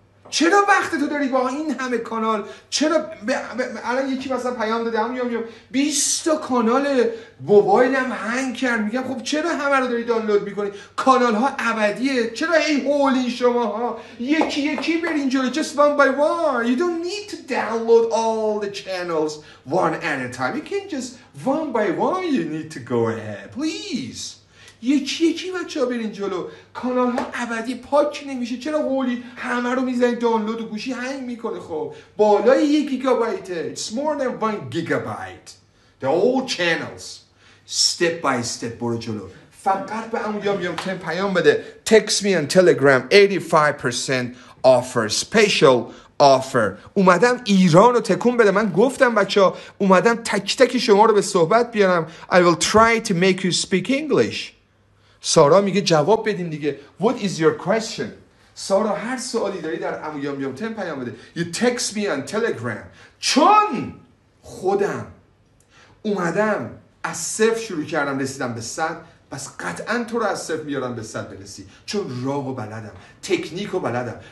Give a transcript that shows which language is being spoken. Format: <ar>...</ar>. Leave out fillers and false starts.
<fa>چرا وقت تو داری با این همه کانال؟ چرا الان یکی مثلا پیام داده عمو یام یام 20 تا کانال موبایلم هنگ کرد. میگم خب چرا همه رو داری دانلود میکنی؟ کانال ها ابدیه. چرا ای هولی شماها یکی یکی برین جلو.</fa> <en>Just one by one. You don't need to download all the channels one at a time. You can just one by one you need to go ahead.</en> <fa>Please. یکی یکی بچه ها برین جلو. کانال ها ابدی پاک نمیشه. چرا قولی همه رو میزنی دانلود و گوشی هنگ میکنه؟ خب بالای 1 گیگابایته.</fa> <en>It's more than 1 gigabyte. They're all channels. Step by step</en> <fa>برو جلو. فقط به عمو یام یام تم پیام بده</fa> <en>text me on telegram 85% offer special offer.</en> <fa>اومدم ایران رو تکون بده. من گفتم بچه ها اومدم تک تک شما رو به صحبت بیارم.</fa> <en>I will try to make you speak English.</en> <fa>سارا میگه جواب بدین دیگه.</fa> <en>What is your question?</en> <fa>سارا هر سوالی داری در امویام یام تم پیام بده.</fa> <en>You text me on telegram.</en> <fa>چون خودم اومدم از صفر شروع کردم رسیدم به صد، پس قطعا تو رو از صفر میارم به صد برسی، چون راه و بلدم، تکنیک و بلدم.</fa>